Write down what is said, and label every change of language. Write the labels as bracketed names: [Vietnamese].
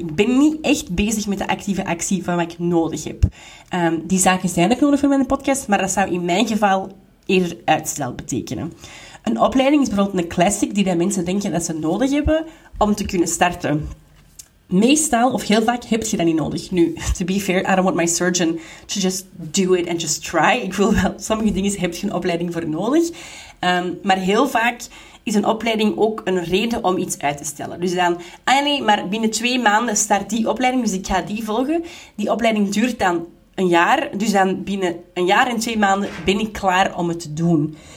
[Dutch] Ik ben niet echt bezig met de actieve actie van wat ik nodig heb. Die zaken zijn ook nodig voor mijn podcast, maar dat zou in mijn geval eerder uitstel betekenen. Een opleiding is bijvoorbeeld een classic die mensen denken dat ze nodig hebben om te kunnen starten. Meestal, of heel vaak, heb je dat niet nodig. [English] Nu, to be fair, I don't want my surgeon to just do it and just try. [Dutch] Ik wil wel, sommige dingen heb je een opleiding voor nodig. Maar heel vaak is een opleiding ook een reden om iets uit te stellen. Dus dan, nee, maar binnen 2 maanden start die opleiding, dus ik ga die volgen. Die opleiding duurt dan een jaar, dus dan binnen 1 jaar en 2 maanden ben ik klaar om het te doen.